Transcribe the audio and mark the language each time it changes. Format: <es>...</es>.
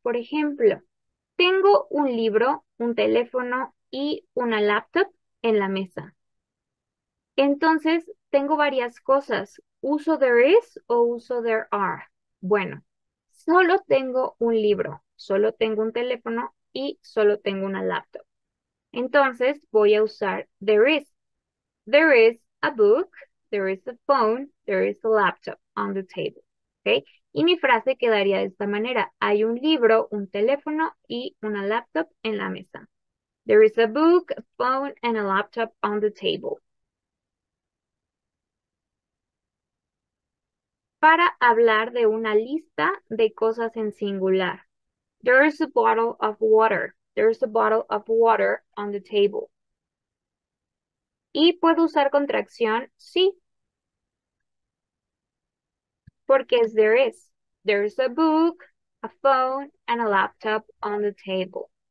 <es>Por ejemplo, tengo un libro, un teléfono y una laptop en la mesa. Entonces, tengo varias cosas. ¿Uso</es> <en>there is</en> <es>o uso</es> <en>there are?</en> <es>Bueno, solo tengo un libro. Solo tengo un teléfono y solo tengo una laptop. Entonces voy a usar there is.</es> <en>There is a book, there is a phone, there is a laptop on the table.</en> <es>¿Okay? Y mi frase quedaría de esta manera. Hay un libro, un teléfono y una laptop en la mesa.</es> <en>There is a book, a phone, and a laptop on the table.</en> <es>Para hablar de una lista de cosas en singular.</es> <en>There is a bottle of water. There is a bottle of water on the table.</en> <es>Y puedo usar contracción sí. Porque es</es> <en>there is. There is a book, a phone, and a laptop on the table.</en>